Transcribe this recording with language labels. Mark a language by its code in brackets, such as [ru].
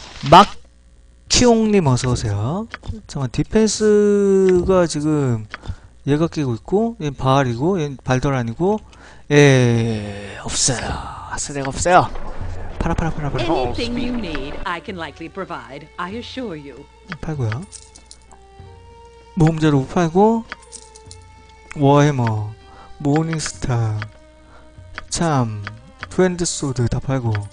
[ko] 막. 키옹님 어서오세요. 잠깐만, 디펜스가 지금 얘가 끼고 있고, 얘 발이고, 얘 발도란이고, 예, 없어요. 쓰레기 없어요. 팔아. [en] Anything you need, I can likely provide. I assure you. [ko] 팔고요. 모험자로 팔고, 워해머, 모닝스타, 참, 트렌드소드 다 팔고.